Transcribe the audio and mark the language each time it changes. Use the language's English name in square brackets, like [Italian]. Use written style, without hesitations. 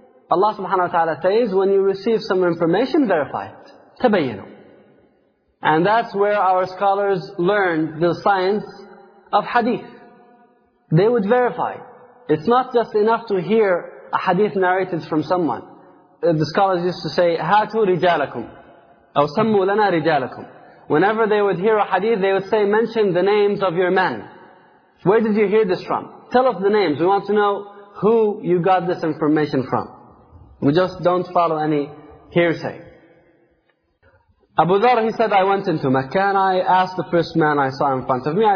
[English] Allah subhanahu wa ta'ala says, when you receive some information, verify it. [Arabic] تَبَيَّنُوا. [English] And that's where our scholars learned the science of hadith. They would verify. It's not just enough to hear a hadith narrated from someone. The scholars used to say, [Arabic] هَاتُوا رِجَالَكُمْ أَوْ سَمُّوا لَنَا رِجَالَكُمْ. [English] Whenever they would hear a hadith, they would say, mention the names of your men. Where did you hear this from? Tell us the names. We want to know who you got this information from. We just don't follow any hearsay. Abu Dharr, he said, I went into Mecca and I asked the first man I saw in front of me.